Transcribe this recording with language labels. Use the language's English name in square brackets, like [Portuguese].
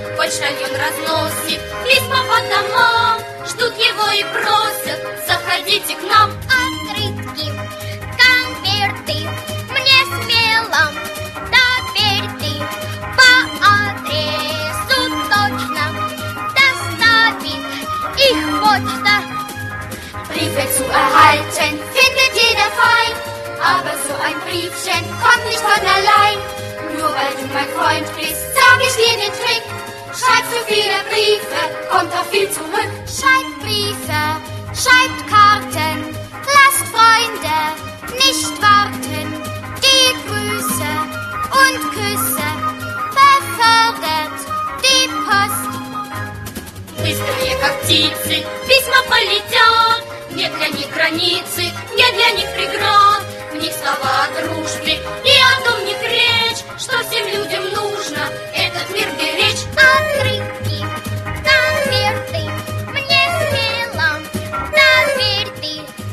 [Russian] Почтальон разносит письма по домам, ждут его и просят, заходите к нам. Открытки, конверты, мне смело доверьте, по адресу точно доставит их почта. [German] Briefe zu erhalten, findet jeder fein. Aber so ein Briefchen kommt nicht von allein. Nur weil du mein Freund bist, sag ich dir den Trick. Schreib so viele Briefe, kommt auch viel zurück. Schreib Briefe, schreib Karten, lasst Freunde nicht warten. Die Grüße und Küsse befördert die Post. [Russian] Быстрые, как птицы, письма полетят. Не для них границы, не для них преград. В них слова о дружбе и о том не речь, что всем людям нужно этот мир беречь. Открытки, конверты, мне смело доверьте,